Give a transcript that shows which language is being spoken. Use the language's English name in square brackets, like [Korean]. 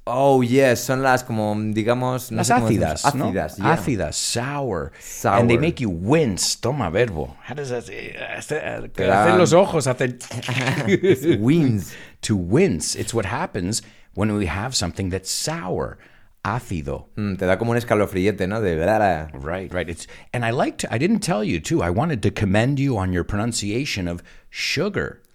[English] Oh, yes. [Spanish] Son las como, digamos... Las ácidas. Ácidas, ¿no? Ácidas, sour. [English] Sour. And they make you wince. [Spanish] Toma verbo. [English] How does that say? [Spanish] Hacen los ojos. Hacen... [English] wince. To wince. It's what happens when we have something that's sour. [Spanish] Ácido. Te da como un escalofriete, ¿no? De verdad. [English] Right, right. It's, and I liked... I didn't tell you, too. I wanted to commend you on your pronunciation of sugar.